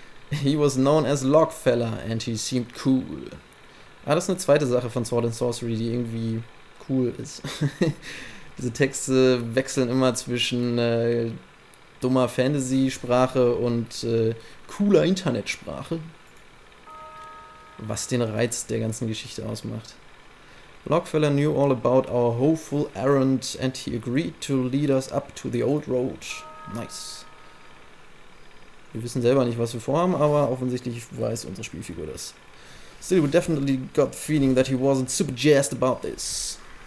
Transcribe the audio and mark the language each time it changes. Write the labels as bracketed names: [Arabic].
[English] He was known as Logfeller and he seemed cool. [German] Ah, das ist eine zweite Sache von Sword and Sorcery, die irgendwie cool ist. Diese Texte wechseln immer zwischen dummer Fantasy-Sprache und cooler Internetsprache. Was den Reiz der ganzen Geschichte ausmacht. [English] Logfeller knew all about our hopeful errand and he agreed to lead us up to the old road. Nice. [German] Wir wissen selber nicht, was wir vorhaben, aber offensichtlich weiß unsere Spielfigur das. [English] Still, we definitely got the feeling that he wasn't super jazzed about this.